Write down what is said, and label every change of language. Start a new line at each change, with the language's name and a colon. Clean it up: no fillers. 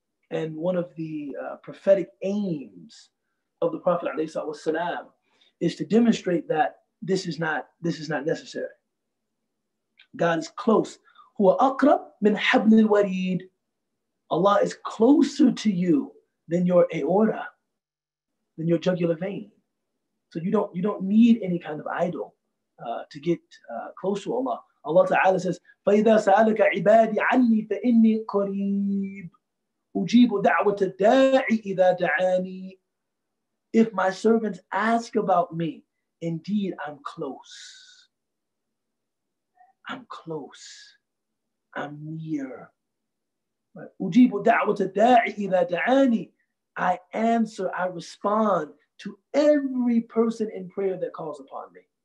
English: And one of the prophetic aims of the Prophet والسلام, is to demonstrate that this is not necessary. God is close.
Arabic: Huwa aqrab min hablil warid.
English: Allah is closer to you than your aorta, than your jugular vein. So you don't need any kind of idol to get close to Allah. Allah Ta'ala says,
Arabic: فَإِذَا سَأَلَكَ عِبَادِي عَنِّي فَإِنِّي قَرِيبٌ أُجِيبُ دَعْوَةَ الدَّاعِ إِذَا دَعَانِي.
English: If my servants ask about me, indeed I'm close. I'm close. I'm near.
Arabic: أُجِيبُ دَعْوَةَ الدَّاعِ إِذَا دَعَانِي.
English: I answer, I respond to every person in prayer that calls upon me.